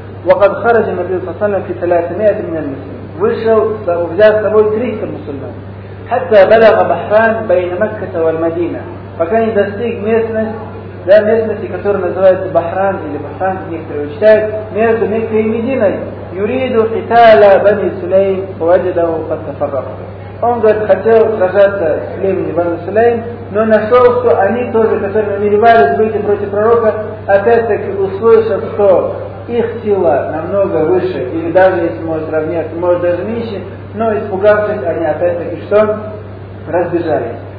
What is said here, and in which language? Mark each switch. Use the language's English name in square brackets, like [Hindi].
[Arabic] وقد خرج النبي صلى الله عليه وسلم في 300 من المسلمين. [Russian] Вышел, взял с собой 300 мусульман. [Arabic] حتى بلغ بحران بين مكة والمدينة. [Russian] Пока не достиг местности, да, местности, которая называется Бахран или Бахран, некоторые читают, между Меккой и Мединой. [Arabic] يريد قتال بني سليم ووجده قد تفرق. [Russian] Он говорит, хотел сражаться с племенем Бану Сулейм, но нашел, что они тоже, которые намеревались выйти против пророка, опять-таки услышав, что их сила намного выше, или даже если может равняться, может даже меньше, но испугавшись, они опять-таки что? Разбежались.